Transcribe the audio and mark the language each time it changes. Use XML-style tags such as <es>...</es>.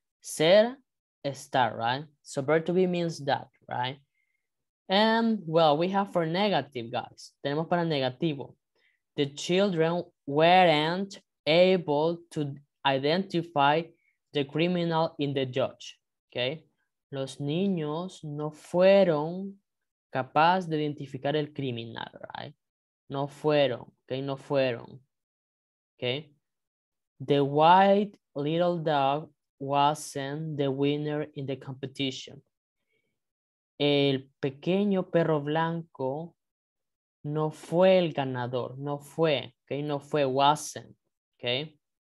<es>Ser, estar,</es> <en>right? So, verb to be means that, right? And, well, we have for negative, guys.</en> <es>Tenemos para negativo.</es> <en>The children weren't able to identify the criminal in the judge, okay?</en> <es>Los niños no fueron capaces de identificar el criminal, right? No fueron, okay? No fueron, okay?</es> <en>The white little dog wasn't the winner in the competition.</en> <es>El pequeño perro blanco no fue el ganador, no fue, okay, no fue,</es> <en>wasn't,</en> <es>okay.</es>